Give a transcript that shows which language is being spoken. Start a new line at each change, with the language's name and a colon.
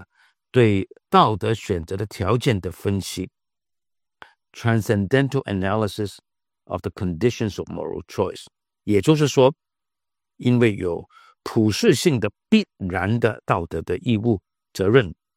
Chinese: 所以康德的伦理学是因为它有一个预设性的、超验性的对道德选择的条件的分析.
English: Transcendental analysis of the conditions of moral choice.
Chinese: 也就是说，因为有普世性的必然的道德的义务责任.